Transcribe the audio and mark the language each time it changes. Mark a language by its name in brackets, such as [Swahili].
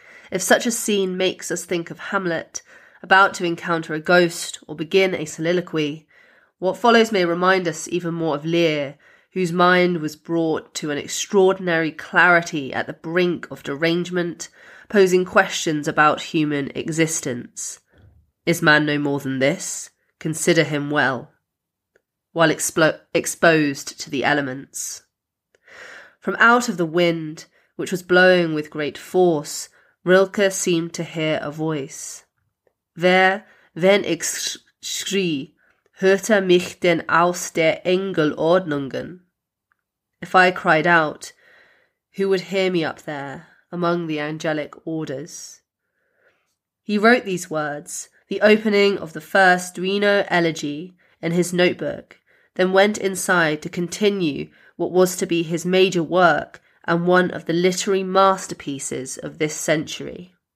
[English] If such a scene makes us think of Hamlet, about to encounter a ghost or begin a soliloquy, what follows may remind us even more of Lear, whose mind was brought to an extraordinary clarity at the brink of derangement, posing questions about human existence. Is man no more than this? Consider him well. While exposed to the elements. From out of the wind, which was blowing with great force, Rilke seemed to hear a voice. [German] Wer, wenn ich schrie, hörte mich denn aus der Engelordnungen? [English] If I cried out, who would hear me up there, among the angelic orders? He wrote these words, the opening of the first Duino elegy, in his notebook, then went inside to continue what was to be his major work and one of the literary masterpieces of this century.